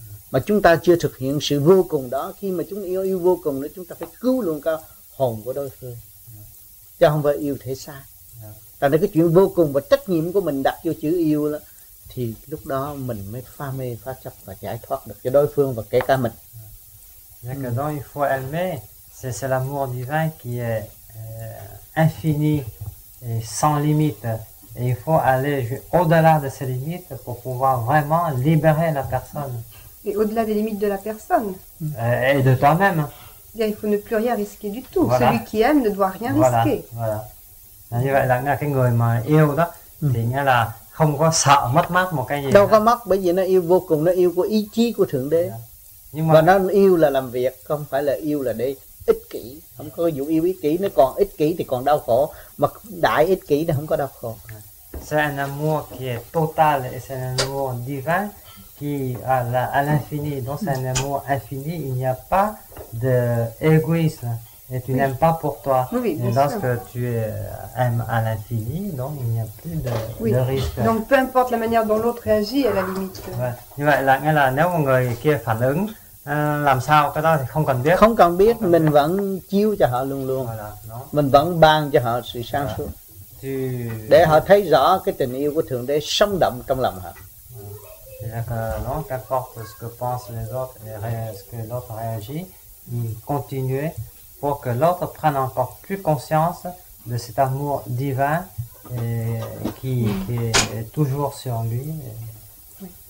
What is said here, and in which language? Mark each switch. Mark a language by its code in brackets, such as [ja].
[vi] Mà chúng ta chưa thực hiện sự vô cùng đó, khi mà chúng yêu yêu vô cùng nữa, chúng ta phải cứu luôn cả hồn của đối phương chứ không phải yêu thể xác. Tại cái chuyện vô cùng và trách nhiệm của mình đặt vô chữ yêu đó thì lúc đó mình mới pha mê, pha chấp và giải thoát được cho đối phương và kể cả mình. [fr] Donc, il faut aimer, c'est l'amour divin qui est infini et sans limite. Et il faut aller au-delà de ces limites pour pouvoir vraiment libérer la personne. Et au-delà des limites de la personne. Et de toi-même. Il faut ne plus rien risquer du tout. Voilà. Celui qui aime ne doit rien risquer. Voilà. [vi] Là, cái người mà yêu đó, thì nghĩa là không có sợ mất mát một cái gì đâu có mất, bởi vì nó yêu vô cùng, nó yêu của ý chí của Thượng Đế. Nhưng mà và nó yêu là làm việc, không phải là yêu là để ích kỷ. Không có dụ yêu ích kỷ, nó còn ích kỷ thì còn đau khổ, mà đại ích kỷ thì không có đau khổ. [fr] C'est un amour qui est total et c'est un amour divin qui à l'infini. Donc c'est un amour infini, il n'y a pas de égoïsme. Et tu n'aimes pas pour toi. Oui, et lorsque tu aimes à l'infini, donc il n'y a plus de risque. Donc peu importe la manière dont l'autre réagit à la limite. [vi] Như vậy là nghĩa là nếu một người kia phản ứng làm sao cái đó thì không cần biết. Không cần biết, không cần mình biết. Vẫn chiếu cho họ luôn luôn. [fr] Voilà, [vi] mình vẫn ban cho họ sự sáng suốt. [fr] Tu... [vi] Để họ thấy rõ cái tình yêu của Thượng Đế sống động trong lòng họ. [fr] Donc qu'importe ce que pensent les autres et ce que l'autre réagit, continuez. Pour que l'autre prenne encore plus conscience de cet amour divin qui est toujours sur lui. Oui.